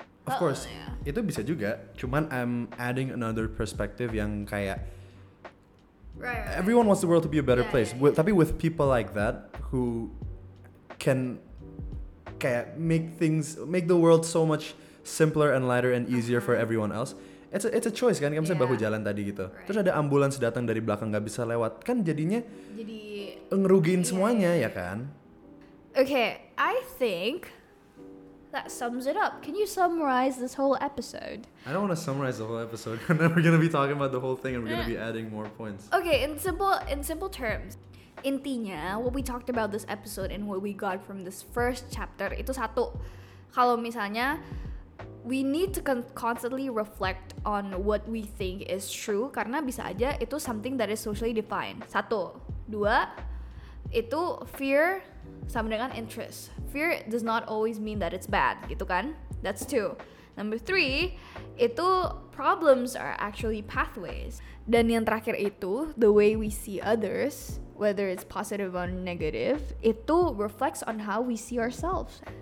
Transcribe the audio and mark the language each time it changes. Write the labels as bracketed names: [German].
[English] Of course, yeah. [Indonesian] Itu bisa juga. Cuman [English] I'm adding another perspective [Indonesian] yang kayak [English] right. Everyone wants the world to be a better place. Yeah. [Indonesian] Tapi [English] with people like that who can [Indonesian] kayak [English] make the world so much simpler and lighter and easier for everyone else. it's a choice [Indonesian] kan, kamu bahu jalan tadi gitu. [English] Right. [Indonesian] Terus ada ambulans datang dari belakang nggak bisa lewat, kan jadinya jadi ngerugiin semuanya ya kan? [English] Okay, I think that sums it up. Can you summarize this whole episode? I don't want to summarize the whole episode. Then we're gonna be talking about the whole thing and we're gonna be adding more points. Okay, in simple terms. [Indonesian] Intinya, [English] what we talked about this episode and what we got from this first chapter, [Indonesian] itu satu. Kalau misalnya, [English] we need to constantly reflect on what we think is true, [Indonesian] karena bisa aja itu [English] something that is socially defined. [Indonesian] Satu. Dua, itu fear sama dengan interest. [English] Fear does not always mean that it's bad, [Indonesian] gitu kan? [English] That's two. Number three, [Indonesian] itu [English] problems are actually pathways. [Indonesian] Dan yang terakhir itu, [English] the way we see others, whether it's positive or negative, [Indonesian] itu [English] reflects on how we see ourselves.